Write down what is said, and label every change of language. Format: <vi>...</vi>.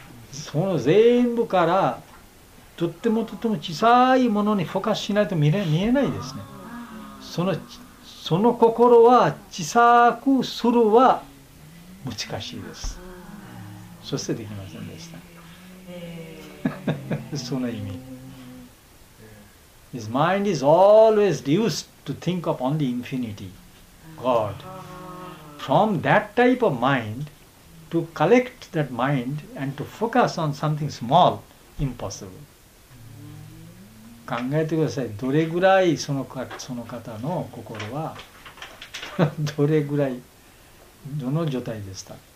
<ja>その全部からとってもとっても小さいものにフォーカスしないと見えないですね。その心は小さくするは難しいです。そしてできませんでした。その意味</ja> <en>His mind is always used to think upon the infinity GodFrom that type of mind, to collect that mind and to focus on something small, impossible.</en> <ja>考えてください。どれぐらいその方の心は、どれぐらい、どの状態でした。</ja>